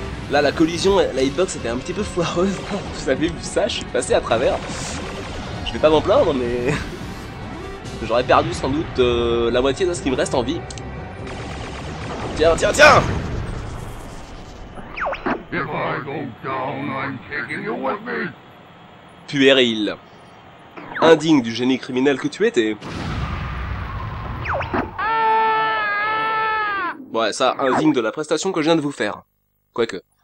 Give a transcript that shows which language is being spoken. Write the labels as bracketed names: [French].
[French] Là, la collision, la hitbox était un petit peu foireuse. Vous avez vu ça? Je suis passé à travers. Je vais pas m'en plaindre, mais... J'aurais perdu sans doute la moitié de ce qui me reste en vie. Tiens! [English] If I go down, I'm taking you with me. [French] Puéril. Indigne du génie criminel que tu étais. Ouais, ça, indigne de la prestation que je viens de vous faire. Quoique.